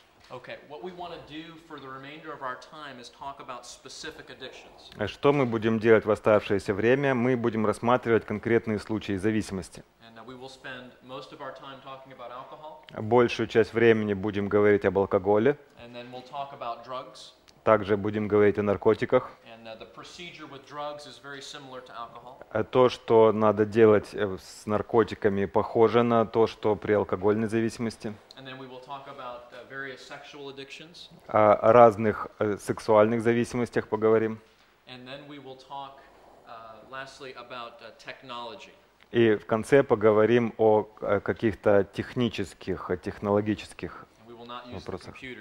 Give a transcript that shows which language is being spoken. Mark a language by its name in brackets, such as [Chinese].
[English] Okay, what we want to do for the remainder of our time is talk about specific addictions. [Russian] Что мы будем делать в оставшееся время? Мы будем рассматривать конкретные случаи зависимости. [English] And we will spend most of our time talking about alcohol. [Russian] Большую часть времени будем говорить об алкоголе. [English] And then we'll talk about drugs. [Russian] Также будем говорить о наркотиках. [English] And the procedure with drugs is very similar to alcohol. [Russian] То, что надо делать с наркотиками, похоже на то, что при алкогольной зависимости. [English] And then we will talk about various sexual addictions. [Russian] О разных сексуальных зависимостях поговорим. [English] And then we will talk lastly about technology. [Russian] И в конце поговорим о каких-то технических, технологических вопросах.